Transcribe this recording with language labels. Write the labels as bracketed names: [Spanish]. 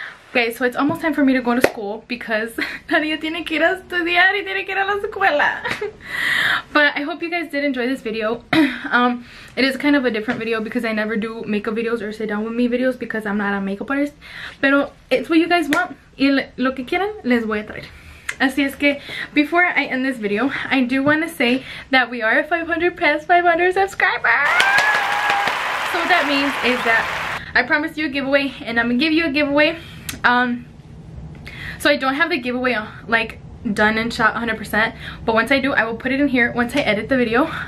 [English] Okay, so it's almost time for me to go to school because Nadia [Spanish] tiene que ir a estudiar y tiene que ir a la escuela. [English] But I hope you guys did enjoy this video. It is kind of a different video because I never do makeup videos or sit down with me videos because I'm not a makeup artist. Pero it's what you guys want. [Spanish] Y lo que quieran, les voy a traer. Así es que, [English] before I end this video, I do want to say that we are 500 past 500 subscribers. So what that means is that I promised you a giveaway and I'm going to give you a giveaway. So I don't have the giveaway like done and shot 100%, but once I do, I will put it in here once I edit the video.